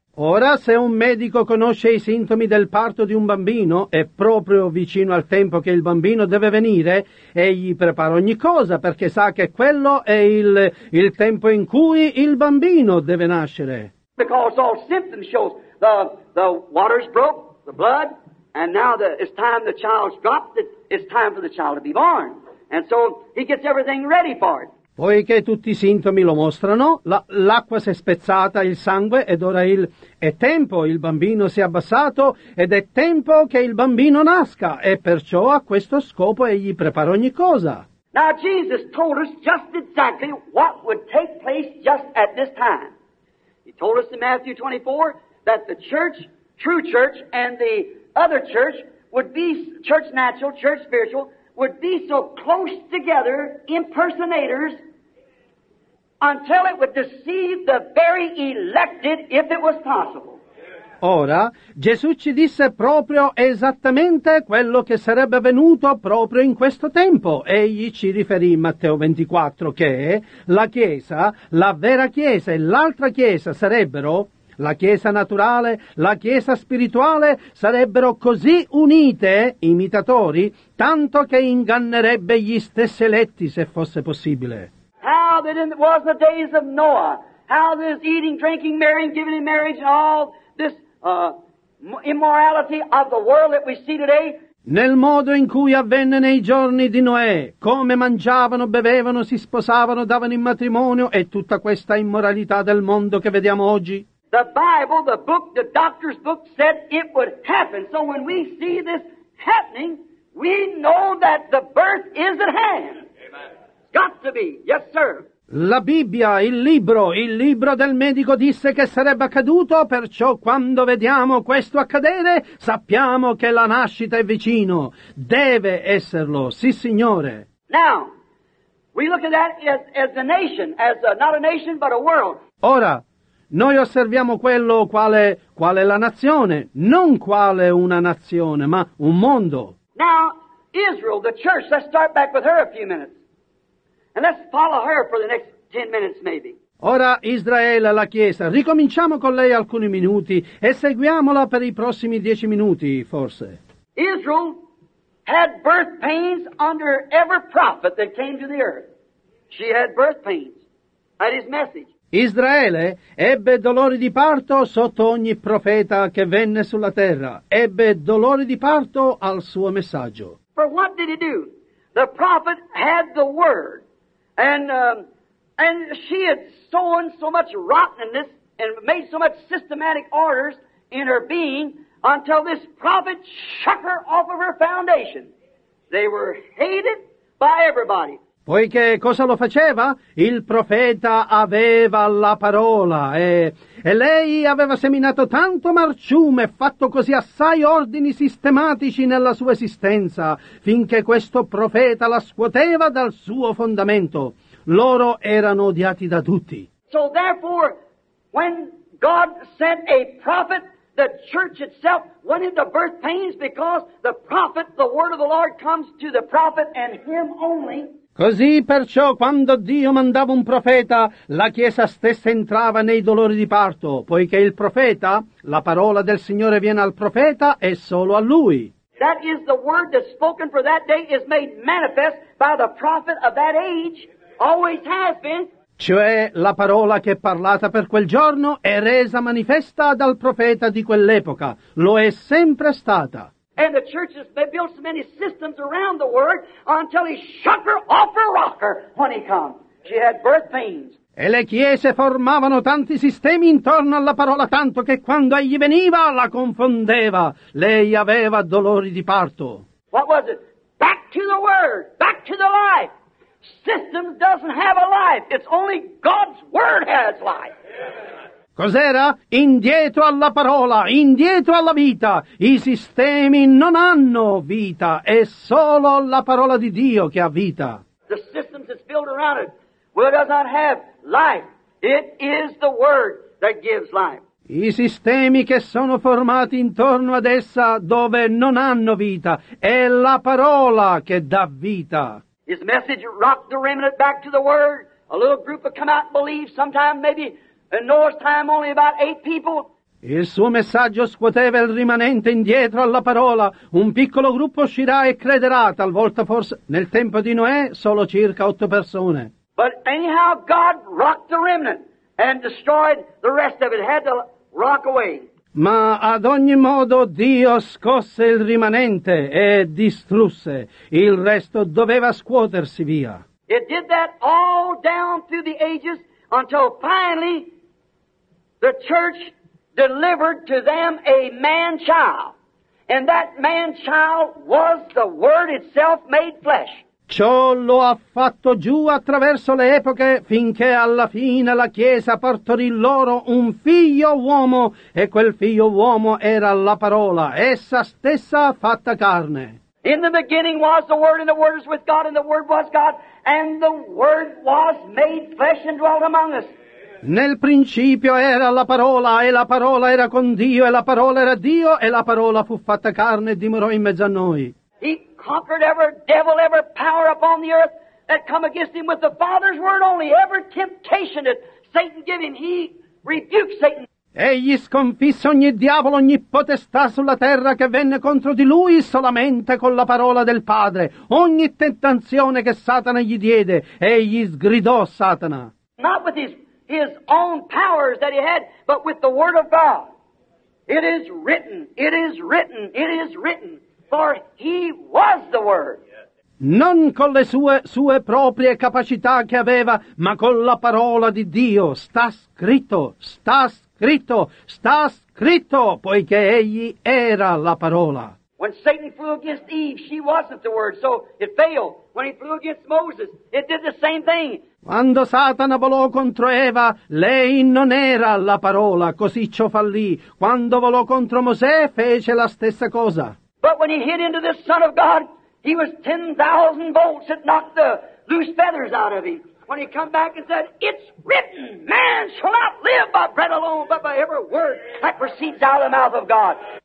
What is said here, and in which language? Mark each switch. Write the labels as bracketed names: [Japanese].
[Italian] Ora, se un medico conosce i sintomi del parto di un bambino, è proprio vicino al tempo che il bambino deve venire, egli prepara ogni cosa, perché sa che quello è il tempo in cui il bambino deve nascere. [English] Because all symptoms show the water's broke, the blood. And now it's time the child's dropped, it's time for the child to be born. And so he gets everything ready for it. [Italian] Poiché tutti i sintomi lo mostrano, l'acqua si è spezzata, il sangue, ed ora è tempo, il bambino si è abbassato, ed è tempo che il bambino nasca, e perciò a questo scopo egli prepara ogni cosa. [English] Now Jesus told us just exactly what would take place just at this time. He told us in Matthew 24 that the church, true church, and the other church would be church natural, church spiritual, would be so close together, impersonators, until it would deceive the very elected if it was possible. [Italian] Ora, Gesù ci disse proprio esattamente quello che sarebbe avvenuto proprio in questo tempo. Egli ci riferì in Matteo 24 che la Chiesa, la vera Chiesa e l'altra Chiesa sarebbero, la Chiesa naturale, la Chiesa spirituale, sarebbero così unite, imitatori, tanto che ingannerebbe gli stessi eletti se fosse possibile. [English] How that it was the days of Noah, how this eating, drinking, marrying, giving in marriage, all this immorality of the world that we see today. [Italian] Nel modo in cui avvenne nei giorni di Noè, come mangiavano, bevevano, si sposavano, davano in matrimonio e tutta questa immoralità del mondo che vediamo oggi. [English] The Bible, the book, the doctor's book said it would happen. So when we see this happening, we know that the birth is at hand. Amen. Got to be. Yes, sir. [Italian] La Bibbia, il libro del medico disse che sarebbe accaduto, perciò quando vediamo questo accadere, sappiamo che la nascita è vicino. Deve esserlo. Sì, Signore. [English] Now, we look at that as a nation, as a, not a nation, but a world. [Italian] Ora, noi osserviamo quello quale la nazione, non quale una nazione, ma un mondo. [English] Now, Israel, the church, let's start back with her a few minutes. And let's follow her for the next 10 minutes, maybe. [Italian] Ora, Israele, la Chiesa, ricominciamo con lei alcuni minuti e seguiamola per i prossimi 10 minuti, forse. [English] Israel had birth pains under every prophet that came to the earth. She had birth pains at his message. [Italian] Israele ebbe dolori di parto sotto ogni profeta che venne sulla terra. Ebbe dolori di parto al suo messaggio. [English] For what did he do? The prophet had the word. And she had sown so much rottenness and made so much systematic orders in her being until this prophet shook her off of her foundation. They were hated by everybody. [Italian] Poiché cosa lo faceva? Il profeta aveva la parola e lei aveva seminato tanto marciume, fatto così assai ordini sistematici nella sua esistenza, finché questo profeta la scuoteva dal suo fondamento. Loro erano odiati da tutti. [English] So therefore, when God sent a prophet, the church itself went into birth pains because the prophet, the word of the Lord comes to the prophet and him only. [Italian] Così perciò quando Dio mandava un profeta, la Chiesa stessa entrava nei dolori di parto, poiché il profeta, la parola del Signore viene al profeta e solo a lui. [English] That is the word that's spoken for that day is made manifest by the prophet of that age, always has been. [Italian] Cioè la parola che è parlata per quel giorno è resa manifesta dal profeta di quell'epoca, lo è sempre stata. [English] And the church has built so many systems around the word until he shook her off her rocker when he comes. She had birth pains. [Italian] E le chiese formavano tanti sistemi intorno alla parola tanto che quando egli veniva la confondeva. Lei aveva dolori di parto. [English] What was it? Back to the word. Back to the life. Systems doesn't have a life. It's only God's word has life. [Italian] Cos'era? Indietro alla parola, indietro alla vita. I sistemi non hanno vita, è solo la parola di Dio che ha vita. [English] The systems that's built around it, well, it does not have life. It is the word that gives life. [Italian] I sistemi che sono formati intorno ad essa dove non hanno vita, è la parola che dà vita. [English] His message rocked the remnant back to the word. A little group would come out and believe sometime maybe. In Noah's time, only about 8 people. [Italian] Il suo messaggio scuoteva il rimanente indietro alla parola. Un piccolo gruppo uscirà e crederà, talvolta forse nel tempo di Noè, solo circa 8 persone. [English] But anyhow, God rocked the remnant and destroyed the rest of it. Had to rock away. [Italian] Ma ad ogni modo Dio scosse il rimanente e distrusse. Il resto doveva scuotersi via. [English] It did that all down through the ages. Until finally, the church delivered to them a man-child. And that man-child was the Word itself made flesh. [Italian] Ciò lo ha fatto giù attraverso le epoche, finché alla fine la Chiesa partorì loro un figlio uomo, e quel figlio uomo era la parola, essa stessa fatta carne. [English] In the beginning was the Word, and the Word was with God, and the Word was God. And the Word was made flesh and dwelt among us. [Italian] Nel principio era la parola, e la parola era con Dio, e la parola era Dio, e la parola fu fatta carne e dimorò in mezzo a noi. [English] He conquered every devil, every power upon the earth that come against him with the Father's word only. Every temptation that Satan gave him, he rebuked Satan. [Italian] Egli sconfisse ogni diavolo, ogni potestà sulla terra che venne contro di lui solamente con la parola del Padre. Ogni tentazione che Satana gli diede, egli sgridò Satana. [English] Not with his own powers that he had, but with the word of God. It is written, it is written, it is written, for he was the word. [Italian] Non con le sue proprie capacità che aveva, ma con la parola di Dio. Sta scritto, sta scritto. Scritto, sta scritto, poiché egli era la parola. [English] When Satan flew against Eve, she wasn't the word, so it failed. When he flew against Moses, it did the same thing. [Italian] Quando Satana volò contro Eva, lei non era la parola, così ciò fallì. Quando volò contro Mosè, fece la stessa cosa. [English] But when he hit into the Son of God, he was 10,000 volts that knocked the loose feathers out of him. When he come back and said, it's written, man shall not live by bread alone, but by every word that proceeds out of the mouth of God.